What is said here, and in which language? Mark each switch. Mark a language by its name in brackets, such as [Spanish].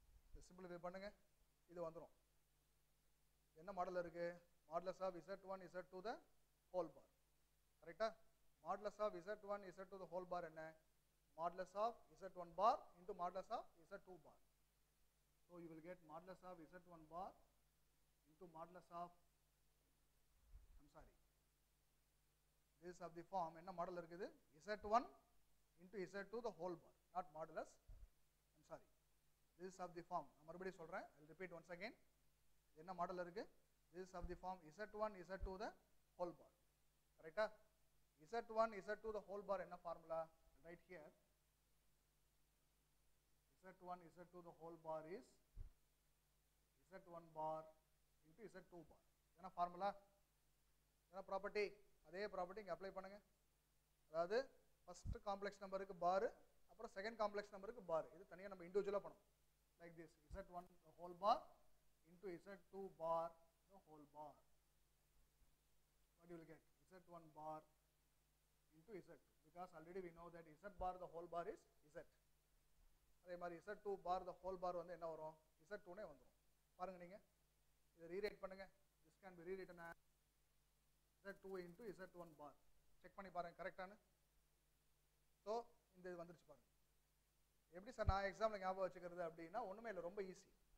[Tamil] இதை சிம்பிளிஃபை பண்ணுங்கள், இது வந்துடும். என்ன மாடல் இருக்குது, [English] Modulus of Z1 Z2 the whole bar. கரெக்டா, modulus of Z1 Z2 the whole bar என்ன, modulus of Z1 bar into modulus of Z2 bar. So you will get modulus of Z1 bar into modulus of, I'm sorry, this of the form, [Tamil] enna model irukudhu, [English] Z1 into Z2 the whole bar, not modulus, I'm sorry, this of the form, I'm already solren, I'll repeat once again, [Tamil] enna model irukku, [English] this of the form Z1 Z2 the whole bar, correct? Z1 Z2 the whole bar enna formula, right here, Z1, Z2, the whole bar is Z1 bar into Z2 bar. என்ன formula? என்ன property? [Tamil] அதே property இங்கே apply பண்ணுங்க. அதாவது first complex numberக்கு bar, அப்புறம் second complex numberக்கு bar. இது தனியாக நம்ம individual பண்ணும். [English] Like this, Z1, the whole bar into Z2 bar, the whole bar. What you will get? Z1 bar into Z2. Because already we know that Z bar, the whole bar is Z. [Tamil] அதே மாதிரி Z2 bar the whole bar வந்து என்ன வரும், Z2 னே வந்துடும். பாருங்க நீங்க இதை ரீரைட் பண்ணுங்க, [English] this can be rewritten [Tamil] Z2 into Z1 bar, check பண்ணி பாருங்க கரெக்டானு. ஸோ இந்த இது வந்துருச்சு பாருங்க. எப்படி சார் நான் எக்ஸாம்பிள் ஞாபகம் வச்சுக்கிறது அப்படின்னா, ஒன்றுமே இல்லை, ரொம்ப ஈஸி.